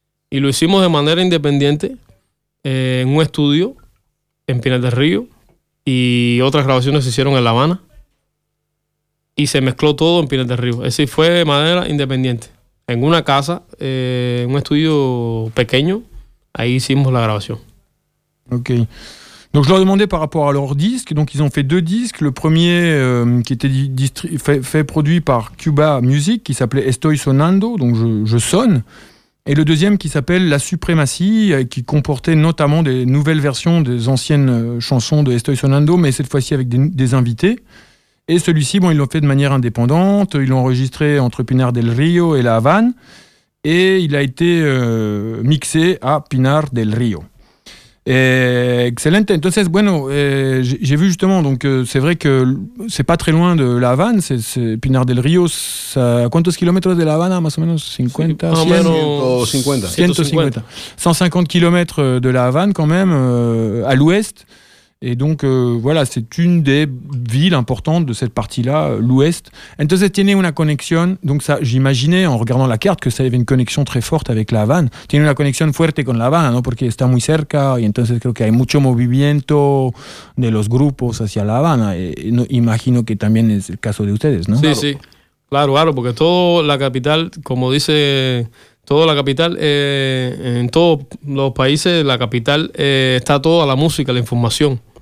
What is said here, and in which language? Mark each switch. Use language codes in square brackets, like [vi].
[es] Y lo hicimos de manera independiente en un estudio en Pinar del Río y otras grabaciones se hicieron en La Habana. Y se mezcló todo en Pinar del Río. Es decir, fue de manera independiente. En una casa, en un estudio pequeño, ahí hicimos la grabación. Ok. [fr] Donc je leur demandais par rapport à leur disque, donc ils ont fait deux disques, le premier qui était produit par Cuba Music, qui s'appelait Estoy Sonando, donc je sonne, et le deuxième qui s'appelle La Suprématie, qui comportait notamment des nouvelles versions des anciennes chansons de Estoy Sonando, mais cette fois-ci avec des invités. Et celui-ci, bon, ils l'ont fait de manière indépendante, ils l'ont enregistré entre Pinar del Río et La Havane, et il a été mixé à Pinar del Río. Excellent. [es] Entonces, bueno, [fr] j'ai vu justement, donc c'est vrai que c'est pas très loin de La Havane, c'est Pinar del Río. [es] ¿A cuántos kilómetros de La Habana, más o menos? 50, sí, 100, 150. 150. [fr] 150 [es] kilómetros [fr] de La Havane, quand même, à l'ouest. Et donc, voilà, c'est une des villes importantes de cette partie-là, l'ouest. [es] Entonces, tiene una conexión, [fr] donc ça, j'imaginais en regardant la carte que ça avait une connexion très forte avec La Havane. [es] Tiene una conexión fuerte con La Habana, ¿no? Porque está muy cerca, y entonces creo que hay mucho movimiento de los grupos hacia La Habana. No, imagino que también es el caso de ustedes, ¿no? Sí, claro. Sí. Claro, claro, porque toda la capital, como dice, toda la capital, en todos los países, la capital está toda la música, la información.